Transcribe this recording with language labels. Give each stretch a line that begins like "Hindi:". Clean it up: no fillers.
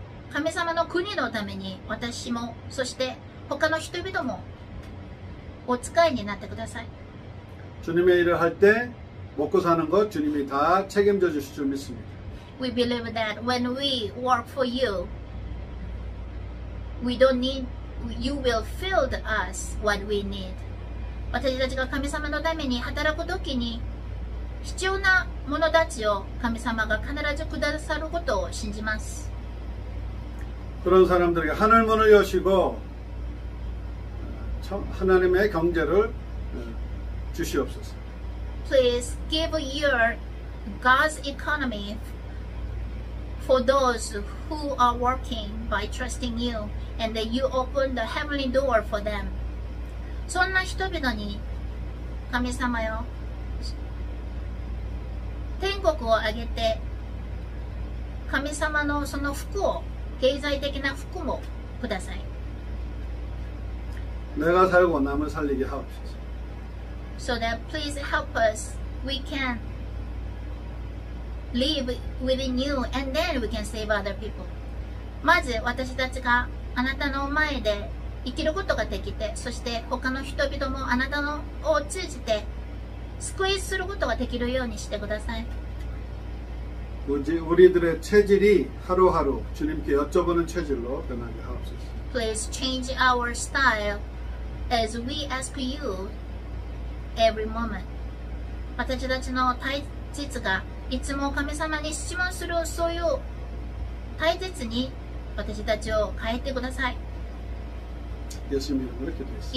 Japanese: 神様の国のために私もそして他の人々もお使いになってください。
Korean: 주님의일을할때먹고사는것주님이다책임져주실줄믿습니다.
English: We believe that when we work for you, we don't need you will fill us what we need.
Japanese: 私たちが神様のために働くときに必要なものたちを神様が必ずくださることを信じます。
Korean: 그런사람들에게하늘문을여시고하나님의경제를주시옵소서.
English: Please give your God's economy for those who are working by trusting you and that you open the heavenly door for them.
Japanese: そんな人々に神様よ、天国をあげて神様のその福を、経済的な福もください。
Korean: 내가살고남을살리게하옵소서。
English: So that please help us, we can live within you and then we can save other people。
Japanese: まず私たちがあなたの前で生きることができて、そして他の人々もあなたのを通じて救いすることができるようにしてください。
Korean: 우리들의체질이하루하루주님께여쭤보는체질로변하게하옵소서。
English: Please change our style as we ask you every moment。
Japanese: 私たちの体質がいつも神様に質問するそういう体質に私たちを変えてください。イエス様によってです。